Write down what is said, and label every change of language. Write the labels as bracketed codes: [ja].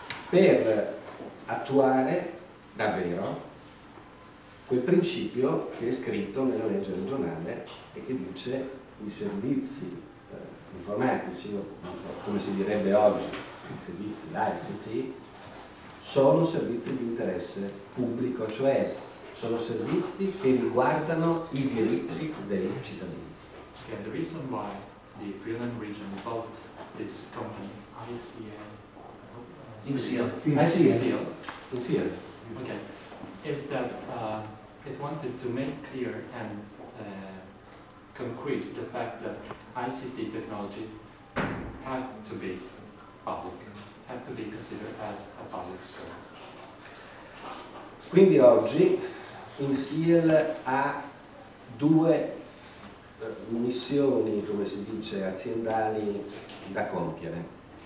[it] Per attuare davvero quel principio che è scritto nella legge regionale e che dice i servizi informatici, come si direbbe oggi, i servizi, l'ICT, sono servizi di interesse pubblico, cioè sono servizi che riguardano i diritti dei cittadini. [en] Okay, the reason why the Friuli region bought this company, ICN, Insiel, okay, is that it wanted to make clear and concrete the fact that ICT technologies had to be public, had to be considered as a public service. [it] Quindi oggi Insiel ha due missioni, come si dice, aziendali da compiere.